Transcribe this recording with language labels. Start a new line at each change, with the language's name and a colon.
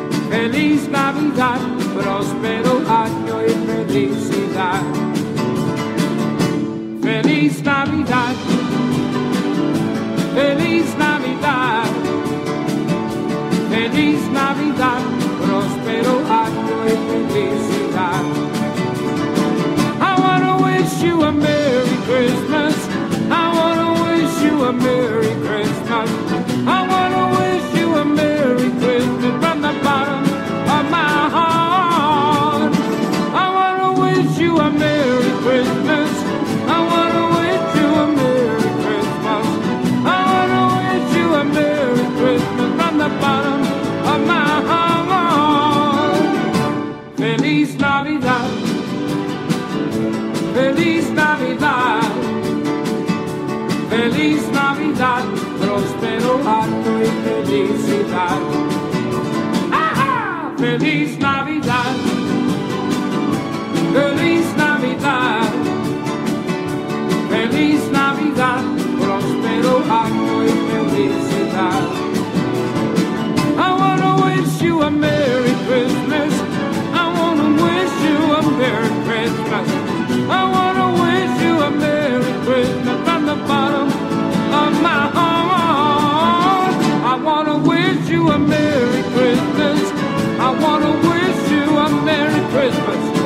Spanish: Feliz Navidad, próspero año y felicidad. Feliz Navidad. Feliz Navidad. Feliz Navidad, próspero año y felicidad.
English: I want to wish you a Merry Christmas. I want to wish you a Merry Christmas. I want to wish you a Merry Christmas from the bottom of my heart. I want to wish you a Merry Christmas. I want to wish you a Merry Christmas. I want to wish you a Merry Christmas from the bottom of my heart.
Spanish: Feliz Navidad. Feliz Navidad. Feliz Navidad. Prospero año y felicidad. ¡Ah! Feliz Navidad. Feliz Navidad. Feliz Navidad. Prospero año y felicidad.
English: I want to wish you a Merry Christmas. I want to wish you a Merry Christmas. I want to wish you a Merry Christmas from the bottom of my heart. I want to wish you a Merry Christmas. I want to wish you a Merry Christmas.